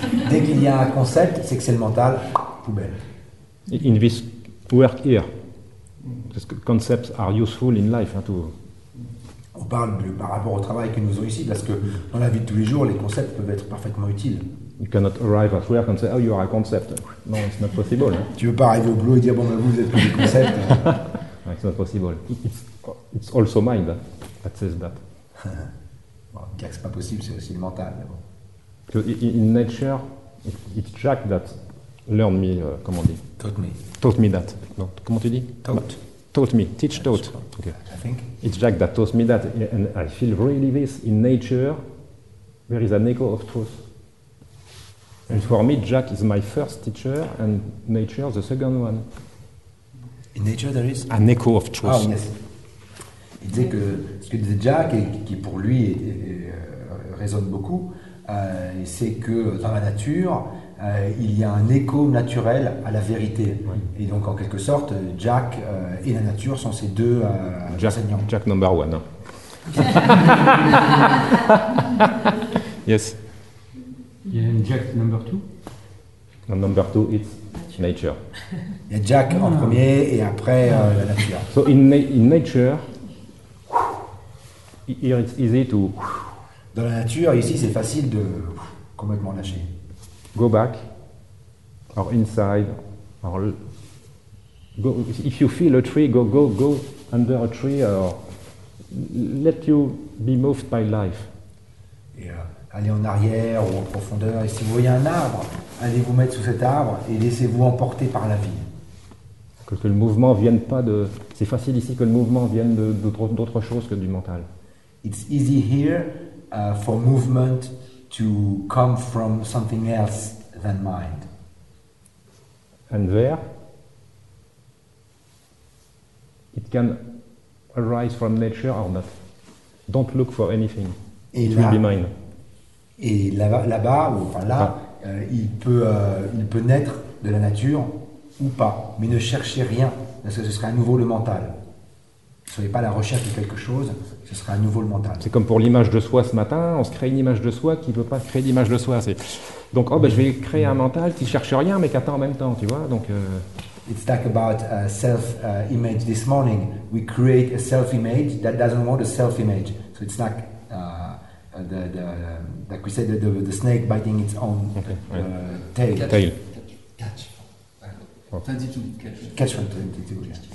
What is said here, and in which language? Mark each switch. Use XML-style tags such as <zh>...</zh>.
<fr>Dès qu'il y a un concept, c'est que c'est le mental, poubelle.</fr> <en>In this work here.</en> <fr>Parce que</fr> <en>concepts are useful in life. Hein,</en> <fr>on parle de, par rapport au travail que nous avons ici, parce que dans la vie de tous les jours, les concepts peuvent être parfaitement utiles.</fr> <en>You cannot arrive at work and say, oh, you are a concept. No, it's not possible. Hein.</en> <fr>Tu ne veux pas arriver au boulot et dire, bon, vous êtes plus des concepts.</fr> <en>Hein. It's not possible. It's also mind. That says that.</en> <fr>Bon, dire que c'est pas possible, c'est aussi le mental. Mais bon.</fr> <en>So in nature, it's Jack that learned me,</en> <fr>comment on dit?</fr> <en>Taught me that. No,</en> <fr>comment tu dis?</fr> <en>Taught me. Okay. I think. It's Jack that taught me that, and I feel really this in nature. There is an echo of truth. And for me, Jack is my first teacher, and nature the second one. In nature, there is an echo of truth. Oh, yes.</en> <fr>Il disait que ce que disait Jack, et qui pour lui résonne beaucoup, c'est que dans la nature, il y a un écho naturel à la vérité. Oui. Et donc, en quelque sorte, Jack et la nature sont ces deux enseignants.</fr> <en>Jack number one. Yes.</en> <fr>Il y a Jack</fr> <en>number two. And number two, it's nature.</en> <fr>Il y a Jack en premier et après la nature.</fr> <en>So in nature... Here it's easy to</en> <fr>dans la nature, ici, c'est facile de complètement lâcher.</fr> <en>Go back, or inside, or go. If you feel a tree, go under a tree, or let you be moved by life. Yeah.</en> <fr>Allez en arrière ou en profondeur, et si vous voyez un arbre, allez vous mettre sous cet arbre et laissez-vous emporter par la vie. Que le mouvement vienne pas de... C'est facile ici que le mouvement vienne d'autre chose que du mental.</fr> <en>It's easy here for movement to come from something else than mind. And there, it can arise from nature or not. Don't look for anything.</en> <fr>Et</fr> <en>it</en> <fr>là,</fr> <en>will be mine.</en> <fr>Et là-bas, ou enfin là, il peut naître de la nature ou pas. Mais ne cherchez rien, parce que ce serait à nouveau le mental. Ne soyez pas à la recherche de quelque chose, ce sera à nouveau le mental. C'est comme pour l'image de soi ce matin, on se crée une image de soi qui ne peut pas créer d'image de soi. C'est... Donc, oh, ben, je vais créer un mental qui ne cherche rien, mais qui attend en même temps, tu vois. Donc,</fr> <en>It's like about a self-image this morning. We create a self-image that doesn't want a self-image. So it's like the snake biting its own tail. Tail. Catch. 22.</en>